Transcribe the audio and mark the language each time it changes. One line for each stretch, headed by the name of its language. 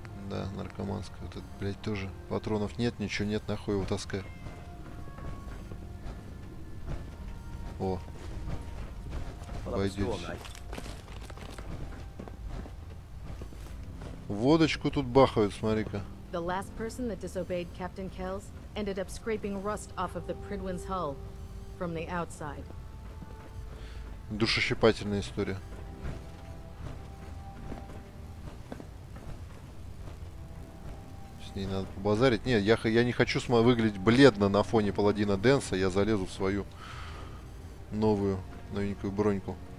Russian: Да, наркоманская. Вот это, блядь, тоже. Патронов нет, ничего нет, нахуй его таскай. О. Обойдёшься. Водочку тут бахают, смотри-ка.
English: The last person that disobeyed Captain Kells ended up scraping rust off of the Pridwin's hull from the outside.
Russian: Душещипательная история. С ней надо побазарить. Нет, я не хочу выглядеть бледно на фоне паладина Дэнса. Я залезу в свою новую новенькую броньку.